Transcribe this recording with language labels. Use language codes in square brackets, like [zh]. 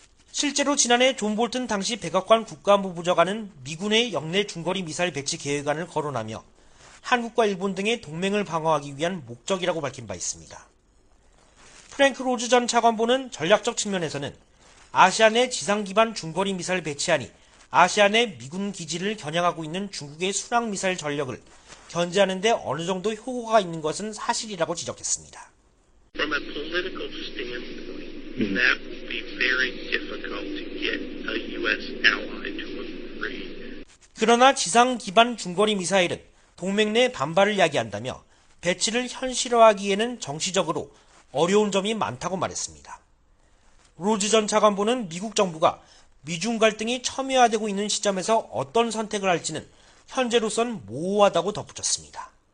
[ko] 실제로 지난해 존 볼튼 당시 백악관 국가안보 보좌관은 미군의 역내 중거리 미사일 배치 계획안을 거론하며 한국과 일본 등의 동맹을 방어하기 위한 목적이라고 밝힌 바 있습니다. 프랭크 로즈 전 차관보는 전략적 측면에서는 아시아 내 지상기반 중거리 미사일 배치안이 아시아 내 미군 기지를 겨냥하고 있는 중국의 순항미사일 전력을 견제하는 데 어느 정도 효과가 있는 것은 사실이라고 지적했습니다. [en] From a political standpoint, that would be very difficult to get a US ally to agree. [ko] 그러나 지상기반 중거리 미사일은 동맹 내 반발을 야기한다며 배치를 현실화하기에는 정치적으로 어려운 점이 많다고 말했습니다. 로즈 전 차관보는 미국 정부가 미중 갈등이 첨예화되고 있는 시점에서 어떤 선택을 할지는 현재로선 모호하다고 덧붙였습니다.